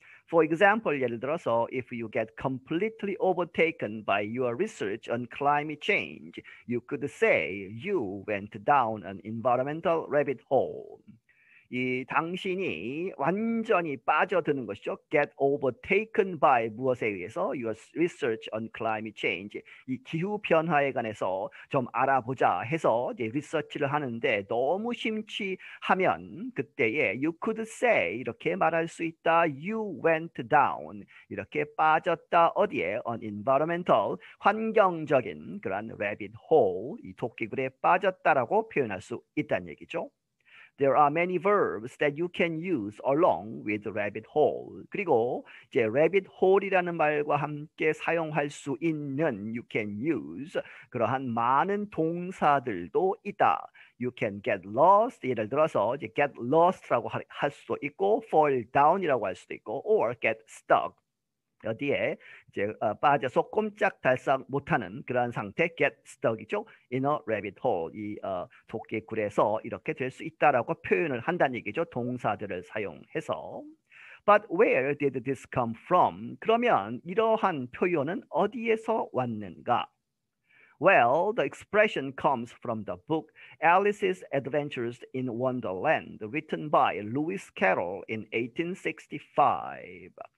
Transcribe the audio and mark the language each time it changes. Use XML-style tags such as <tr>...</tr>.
<en>For example,</en> <ko>예를 들어서,</ko> <en>if you get completely overtaken by your research on climate change, you could say you went down an environmental rabbit hole.</en> <ko>이 당신이 완전히 빠져드는 것이죠.</ko> <en>Get overtaken by</en> <ko>무엇에 의해서?</ko> <en>Your research on climate change.</en> <ko>이 기후 변화에 관해서 좀 알아보자 해서 이제 리서치를 하는데 너무 심취하면 그때에</ko> <en>you could say</en> <ko>이렇게 말할 수 있다.</ko> <en>You went down.</en> <ko>이렇게 빠졌다. 어디에?</ko> <en>An environmental</en> <ko>환경적인 그런</ko> <en>rabbit hole.</en> <ko>이 토끼굴에 빠졌다라고 표현할 수 있다는 얘기죠.</ko> <en>There are many verbs that you can use along with rabbit hole.</en> <ko>그리고 이제 rabbit hole이라는 말과 함께 사용할 수 있는</ko> <en>you can use</en> <ko>그러한 많은 동사들도 있다.</ko> <en>You can get lost.</en> <ko>예를 들어서 이제</ko> <en>get lost라고 할 수도 있고 fall down이라고 할 수도 있고 or get stuck.</en> <ko>어디에 이제 빠져서 꼼짝 달싹 못하는 그러한 상태 get stuck이죠.</ko> <en>In a rabbit hole</en> <ko>이 토끼굴에서 이렇게 될수 있다라고 표현을 한다는 얘기죠. 동사들을 사용해서.</ko> <en>But where did this come from?</en> <ko>그러면 이러한 표현은 어디에서 왔는가?</ko> <en>Well, the expression comes from the book Alice's Adventures in Wonderland, written by Lewis Carroll in 1865.</en>